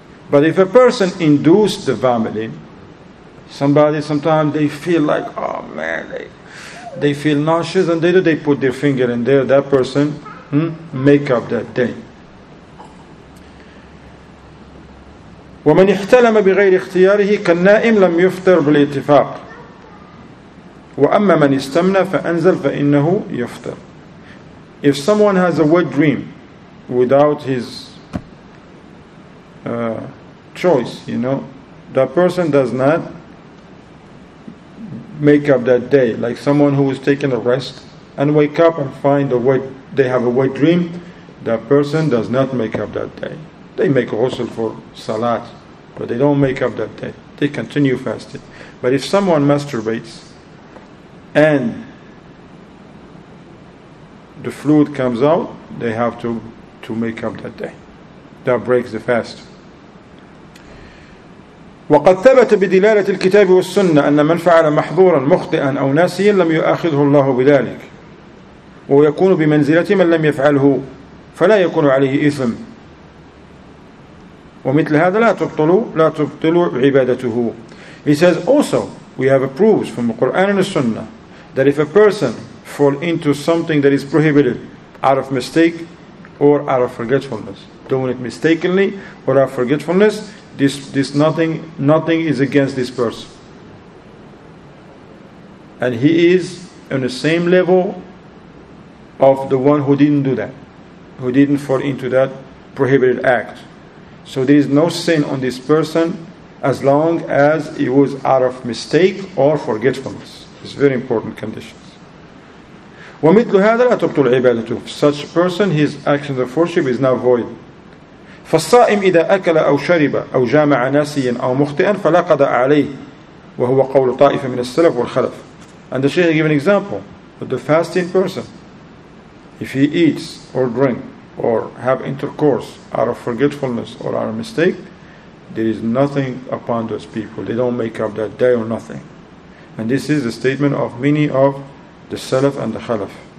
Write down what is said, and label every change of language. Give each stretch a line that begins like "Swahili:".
English: But if a person induced the vomiting, somebody sometimes they feel like, oh man, they feel nauseous and they put their finger in there, that person make up that day.
Arabic: ومن احتلم بغير اختياره كالنائم لم يفطر بالاتفاق. وَأَمَّا مَنْ إِسْتَمْنَى فَأَنْزَلْ فَإِنَّهُ يُفْتَرْ.
English: If someone has a wet dream without his choice, you know, that person does not make up that day. Like someone who is taking a rest and wake up and find a wet, they have a wet dream, that person does not make up that day. They make ghusl for salat, but they don't make up that day. They continue fasting. But if someone masturbates and the fluid comes out, they have to make up that day. That breaks the fast.
Arabic: وقد ثبت بدلالة الكتاب والسنة أن من فعل محظورا مخطئا أو ناسيا لم يؤاخذه الله بذلك ويكون بمنزلة من لم يفعله فلا يكون عليه إثم ومثل هذا لا تبطل عبادته.
English: He says, also we have proofs from the Quran and the Sunnah that if a person fall into something that is prohibited out of mistake or out of forgetfulness, doing it mistakenly or out of forgetfulness, this nothing is against this person. And he is on the same level of the one who didn't do that, who didn't fall into that prohibited act. So there is no sin on this person as long as it was out of mistake or forgetfulness. It's very important conditions.
Arabic: ومثل هذا لا تبطل عبادته.
English: Such person, his actions of worship is now void.
Arabic: فالصائم إذا أكل أو شرب أو جامع ناسيا أو مخطئا فلا قضاء عليه وهو قول طائفة من السلف والخلف.
English: And the Shaykh gave an example of the fasting person. If he eats or drink or have intercourse out of forgetfulness or out of mistake, there is nothing upon those people. They don't make up that day or nothing. And this is the statement of many of the Salaf and the Khalaf.